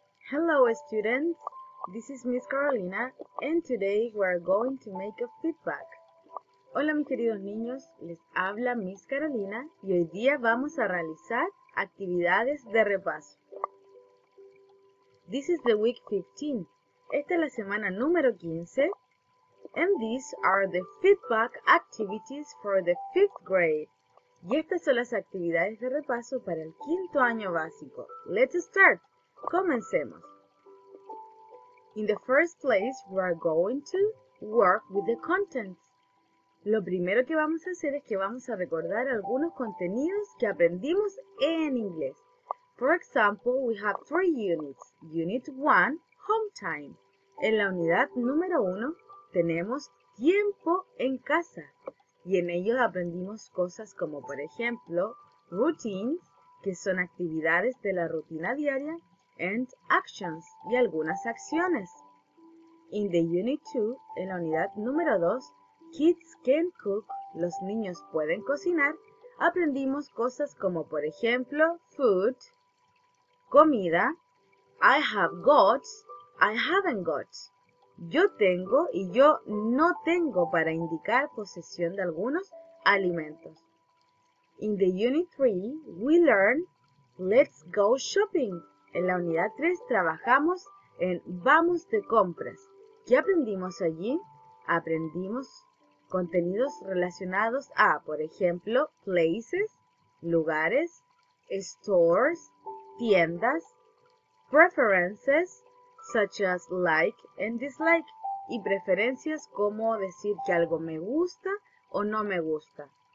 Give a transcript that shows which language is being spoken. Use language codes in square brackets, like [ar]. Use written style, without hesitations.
[en] Hello students, this is Miss Carolina and today we are going to make a feedback. [es] Hola mis queridos niños, les habla Miss Carolina y hoy día vamos a realizar actividades de repaso. [en] This is the week 15. [es] Esta es la semana número 15 [en] and these are the feedback activities for the 5th grade. [es] Y estas son las actividades de repaso para el quinto año básico. [en] Let's start. [es] Comencemos. [en] In the first place, we are going to work with the contents. [es] Lo primero que vamos a hacer es que vamos a recordar algunos contenidos que aprendimos en inglés. [en] For example, we have three units. Unit 1, home time. [es] En la unidad número 1, tenemos tiempo en casa. Y en ellos aprendimos cosas como, por ejemplo, routines, que son actividades de la rutina diaria, [en] and actions, [es] y algunas acciones. [en] In the unit 2, [es] en la unidad número 2, [en] kids can cook, [es] los niños pueden cocinar, aprendimos cosas como, por ejemplo, food, comida, [en] I have got, I haven't got. [es] Yo tengo y yo no tengo para indicar posesión de algunos alimentos. [en] In the unit 3, we learn, let's go shopping. [es] En la unidad 3 trabajamos en vamos de compras. ¿Qué aprendimos allí? Aprendimos contenidos relacionados a, por ejemplo, places, lugares, stores, tiendas, preferences, [en] such as like and dislike, [es] y preferencias como decir que algo me gusta o no me gusta.